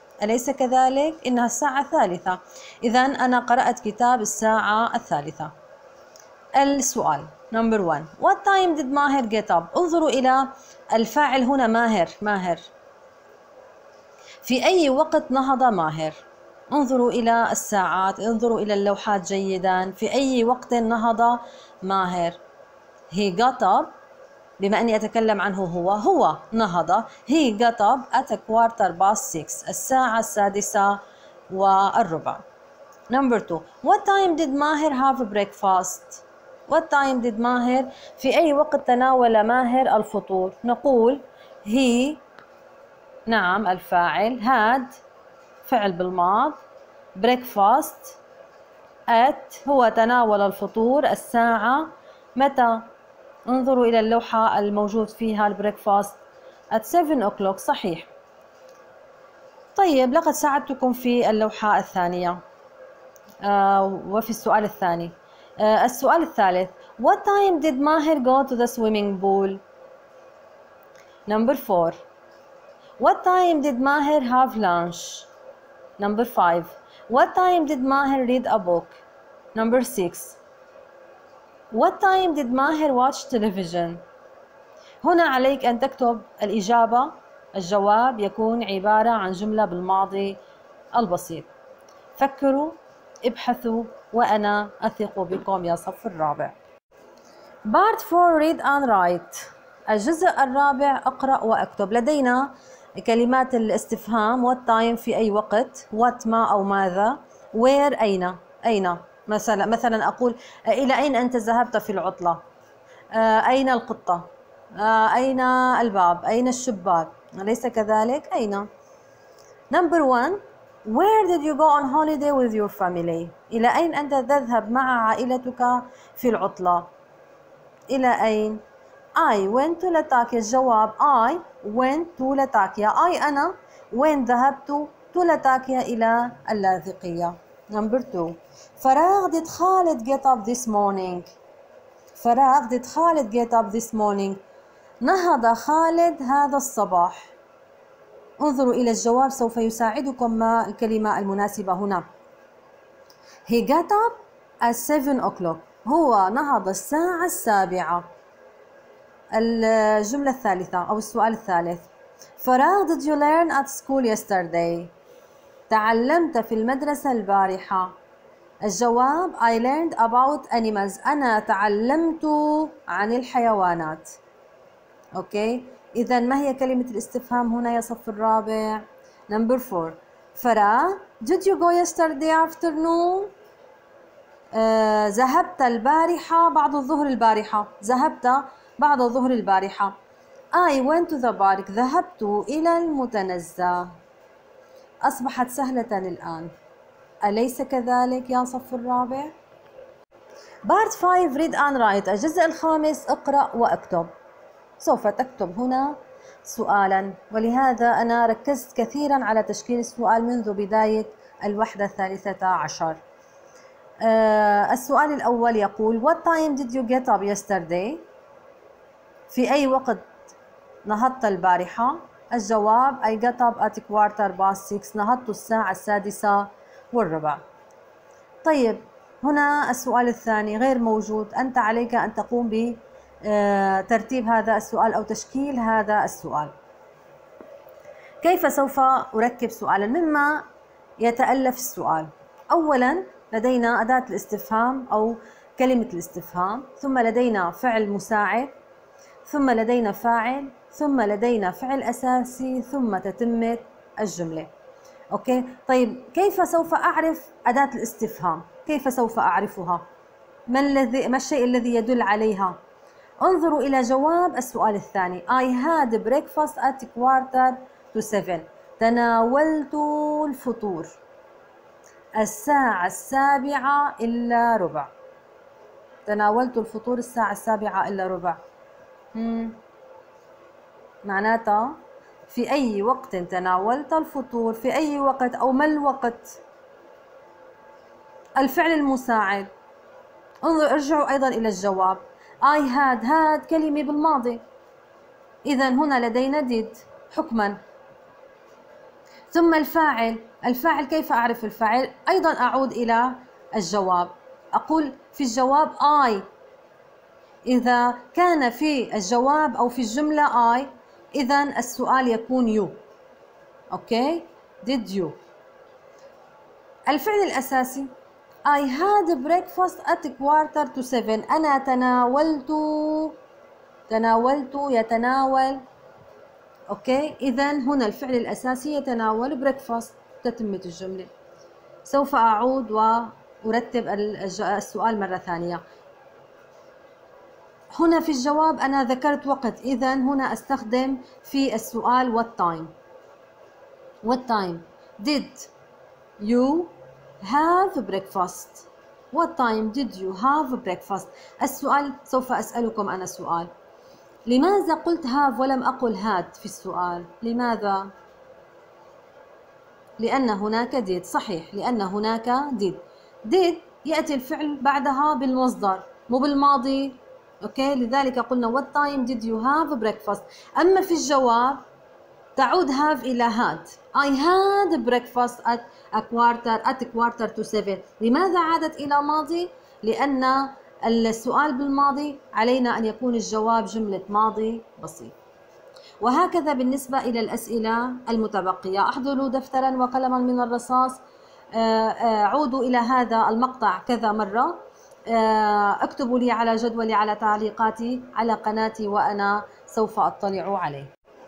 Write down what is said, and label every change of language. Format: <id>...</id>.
<ar>أليس كذلك؟ إنها الساعة الثالثة. إذن أنا قرأت كتاب الساعة الثالثة.</ar> <en>السؤال number one. What time did Maher get up?</en> <ar>انظروا إلى الفاعل هنا ماهر. ماهر. في أي وقت نهض ماهر؟ انظروا إلى الساعات. انظروا إلى اللوحات جيدا. في أي وقت نهض ماهر؟</ar> <en>He got up.</en> <ar>بما أني أتكلم عنه هو. هو نهض.</ar> <en>He got up at a quarter past six.</en> <ar>الساعة السادسة والربع.</ar> <en>Number two. What time did Maher have breakfast? What time did</en> <ar>ماهر؟ في أي وقت تناول ماهر الفطور؟ نقول he. نعم الفاعل. had. فعل بالماض. breakfast. at. هو تناول الفطور الساعة. متى؟ انظروا إلى اللوحة الموجود فيها البريكفاست.</ar> <en>at 7 o'clock.</en> <ar>صحيح. طيب لقد ساعدتكم في اللوحة الثانية وفي السؤال الثاني. السؤال الثالث.</ar> <en>What time did Maher go to the swimming pool? Number 4. What time did Maher have lunch? Number 5. What time did Maher read a book? Number 6. What time did Maher watch television?</en> <ar>هنا عليك أن تكتب الإجابة. الجواب يكون عبارة عن جملة بالماضي البسيط. فكروا، ابحثوا، وأنا أثق بكم يا صف الرابع.</ar> <en>Part 4 read and write.</en> <ar>الجزء الرابع أقرأ وأكتب. لدينا كلمات الاستفهام. What time في أي وقت. What ما أو ماذا. Where أين. أين مثلا أقول إلى أين أنت ذهبت في العطلة. أين القطة. أين الباب. أين الشباك. أليس كذلك. أين.</ar> <en>Number 1. Where did you go on holiday with your family.</en> <ar>إلى أين أنت تذهب مع عائلتك في العطلة. إلى أين.</ar> <en>I went to Latakia. الجواب I went to Latakia.</en> <ar>I أنا وين ذهبت.</ar> <en>To Latakia.</en> <ar>إلى اللاذقية. Number 2.</ar> <en>فراغ did خالد get up this morning. فراغ did خالد get up this morning.</en> <ar>نهض خالد هذا الصباح. انظروا إلى الجواب سوف يساعدكم ما الكلمة المناسبة هنا.</ar> <en>He got up at 7 o'clock.</en> <ar>هو نهض الساعة السابعة. الجملة الثالثة أو السؤال الثالث.</ar> <en>فراغ did you learn at school yesterday.</en> <ar>تعلمت في المدرسة البارحة.</ar> <en>الجواب I learned about animals.</en> <ar>أنا تعلمت عن الحيوانات. أوكي. إذا ما هي كلمة الاستفهام هنا يا صف الرابع.</ar> <en>Number 4. فراغ did you go yesterday afternoon.</en> <ar>ذهبت البارحة بعد الظهر البارحة. ذهبت بعد الظهر البارحة.</ar> <en>I went to the park.</en> <ar>ذهبت إلى المتنزه. أصبحت سهلة الآن. أليس كذلك يا صف الرابع؟</ar> <en>Part 5 read and write.</en> <ar>الجزء الخامس اقرأ وأكتب. سوف تكتب هنا سؤالا، ولهذا أنا ركزت كثيرا على تشكيل السؤال منذ بداية الوحدة الثالثة عشر.</ar> <en>السؤال الأول يقول What time did you get up yesterday؟</en> <ar>في أي وقت نهضت البارحة؟</ar> <en>الجواب I got up at quarter past six.</en> <ar>نهضت الساعة السادسة والربع. طيب هنا السؤال الثاني غير موجود. أنت عليك أن تقوم بترتيب هذا السؤال أو تشكيل هذا السؤال. كيف سوف أركب سؤالا؟ مما يتألف السؤال. أولا لدينا أداة الاستفهام أو كلمة الاستفهام، ثم لدينا فعل مساعد، ثم لدينا فاعل، ثم لدينا فعل أساسي، ثم تتمت الجملة. أوكي؟ طيب كيف سوف أعرف أداة الاستفهام؟ كيف سوف أعرفها؟ ما الشيء الذي يدل عليها؟ انظروا إلى جواب السؤال الثاني.</ar> <en>I had breakfast at quarter to seven.</en> <ar>تناولت الفطور الساعة السابعة إلا ربع. تناولت الفطور الساعة السابعة إلا ربع. معناتها في أي وقت تناولت الفطور؟ في أي وقت أو ما الوقت؟ الفعل المساعد. انظر ارجعوا أيضا إلى الجواب. I had had كلمة بالماضي، إذن هنا لدينا did حكما. ثم الفاعل، الفاعل كيف أعرف الفاعل؟ أيضا أعود إلى الجواب، أقول في الجواب I. إذا كان في الجواب أو في الجملة I، إذن السؤال يكون you.</ar> <en>Okay? did you.</en> <ar>الفعل الأساسي</ar> <en>I had breakfast at quarter to seven.</en> <ar>أنا تناولت، تناولت يتناول. أوكي؟ إذن هنا الفعل الأساسي يتناول breakfast، تتمت الجملة. سوف أعود وأرتب السؤال مرة ثانية. هنا في الجواب أنا ذكرت وقت، إذن هنا أستخدم في السؤال what time.</ar> <en>What time did you have breakfast؟</en> <ar>What time did you have breakfast؟ السؤال سوف أسألكم أنا سؤال، لماذا قلت have ولم أقل had في السؤال؟ لماذا؟ لأن هناك did. صحيح، لأن هناك did. did يأتي الفعل بعدها بالمصدر مو بالماضي.</ar> <en>Okay?</en> <ar>لذلك قلنا</ar> <en>what time did you have breakfast.</en> <ar>أما في الجواب تعود have إلى had.</ar> <en>I had breakfast at a quarter to seven.</en> <ar>لماذا عادت إلى ماضي؟ لأن السؤال بالماضي، علينا أن يكون الجواب جملة ماضي بسيط. وهكذا بالنسبة إلى الأسئلة المتبقية. أحضروا دفترا وقلما من الرصاص، عودوا إلى هذا المقطع كذا مرة، اكتبوا لي على جدولي على تعليقاتي على قناتي وأنا سوف أطلع عليه.</ar>